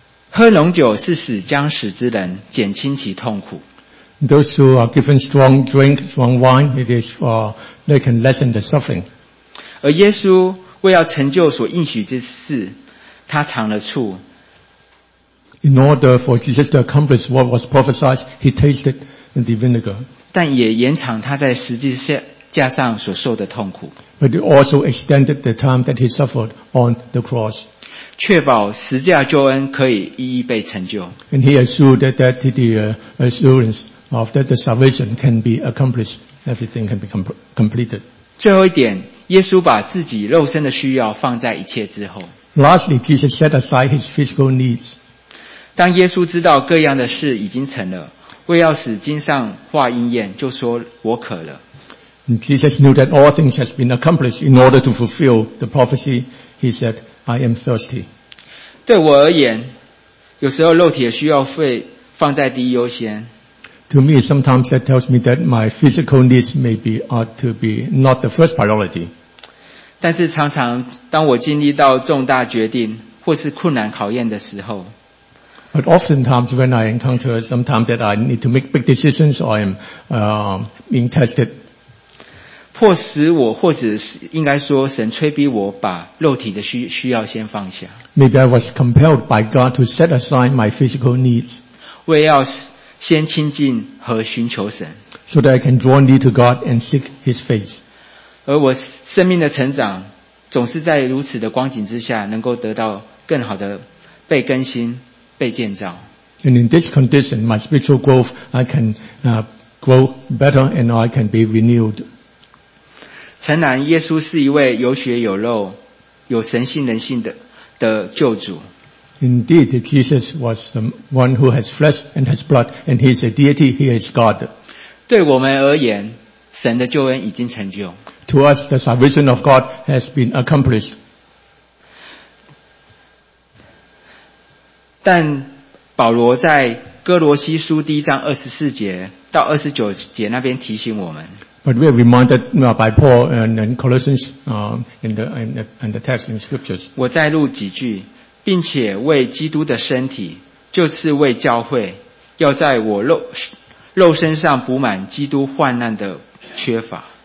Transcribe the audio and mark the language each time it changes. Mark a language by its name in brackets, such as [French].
[Chinese] 喝浓酒是使将死之人减轻其痛苦。 [English] Those who are given strong drink, strong wine, it is, they can lessen the suffering. [Chinese] 而耶稣为要成就所应许之事，他尝了醋。 [English] In order for Jesus to accomplish what was prophesied, he tasted the vinegar. [Chinese] 但也延长他在十字架上所受的痛苦。 [English] But it also extended the time that he suffered on the cross. [Chinese] 确保十字架救恩可以一一被成就。 [English] And he assured that the assurance of that the salvation can be accomplished, everything can be completed. [Chinese] 最后一点，耶稣把自己肉身的需要放在一切之后。 [English] Lastly, Jesus set aside his physical needs. [Chinese] 当耶稣知道各样的事已经成了，为要使经上话应验，就说我渴了。 [English] Jesus knew that all things has been accomplished in order to fulfill the prophecy. He said, I am thirsty. [Chinese] 对我而言，有时候肉体的需要会放在第一优先。 [English] To me, sometimes that tells me that my physical needs may be ought to be not the first priority. [Chinese] 但是常常当我经历到重大决定或是困难考验的时候。 [English] But oftentimes when I encounter sometimes that I need to make big decisions or I'm being tested. [Chinese] 迫使我或者应该说神催逼我把肉体的需要先放下。 [English] Maybe I was compelled by God to set aside my physical needs. [Chinese] 为要先亲近和寻求神。 [English] So that I can draw near to God and seek His face. [Chinese] 而我生命的成长总是在如此的光景之下能够得到更好的被更新被建造。 [English] And in this condition, my spiritual growth, I can grow better and I can be renewed. [Chinese] 诚然耶稣是一位有血有肉有神性人性 的救主。 [English] Indeed, Jesus was the one who has flesh and has blood, and He is a deity, He is God. [Chinese] 对我们而言，神的救恩已经成就。 [English] To us, the salvation of God has been accomplished. [Chinese] 但保罗在哥罗西书第一章24节到29节那边提醒我们。 [English] But we are reminded by Paul and Colossians in the text in the scriptures. [Chinese] 我再录几句。并且为基督的身体，就是为教会，要在我肉身上补满基督患难的缺乏。